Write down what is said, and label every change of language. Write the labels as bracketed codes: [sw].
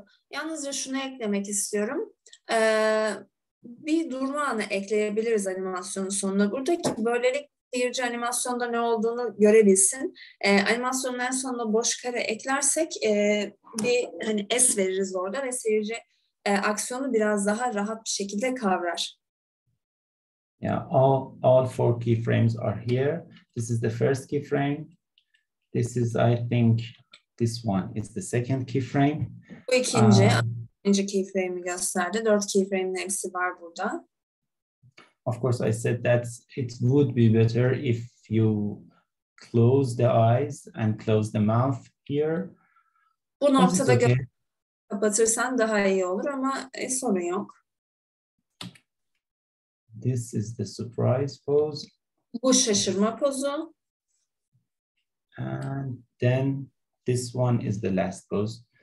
[tr] Yalnızca şunu eklemek istiyorum. Bir durma anı ekleyebiliriz animasyonun sonunda. Buradaki böylelikle seyirci animasyonda ne olduğunu görebilsin. Animasyonun en sonunda boş kare eklersek bir hani es veririz orada ve seyirci aksiyonu biraz daha rahat bir şekilde kavrar. [en] Yeah, all four keyframes are here. This is the first keyframe. This is, I think, this one is the second keyframe. [tr] Bu ikinci keyframe'i gösterdi. Dört keyframe'in hepsi var burada. [en] Of course, I said that it would be better if you close the eyes and close the mouth here. [tr] Bu noktada kapatırsan daha iyi olur ama sorun yok. [en] This is the surprise pose. [tr] Bu şaşırma pozu. [en] And then this one is the last pose.